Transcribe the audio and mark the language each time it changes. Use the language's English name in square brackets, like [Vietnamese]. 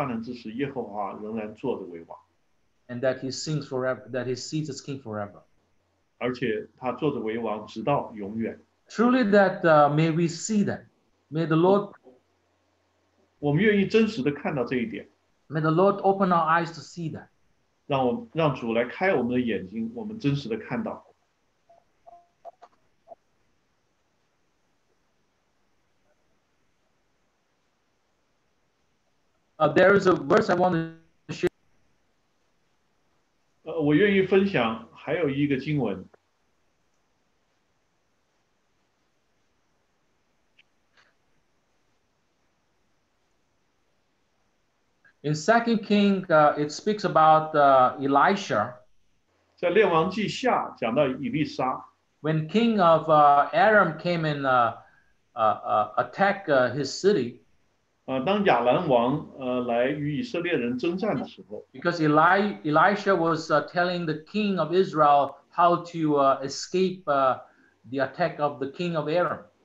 [Chinese] 我们必须看到的就是洪水泛滥之时，耶和华仍然坐着为王。 [English] And that he sings forever, that he sits as king forever. [Chinese] 而且他坐着为王直到永远。 [English] Truly that may we see that. May the Lord... [Chinese] 我们愿意真实地看到这一点。 [English] May the Lord open our eyes to see that. [Chinese] 让主来开我们的眼睛, 我们真实地看到。 [English] There is a verse I want to share. [Chinese] 我愿意分享, 还有一个经文。 [English] In 2 Kings, it speaks about Elisha. [Chinese] 在列王记下讲到以利沙, [English] when king of Aram came and attack his city, [Chinese] 当亚兰王, 来与以色列人征战的时候, [English] because Elisha was telling the king of Israel how to escape the attack of the king of Aram.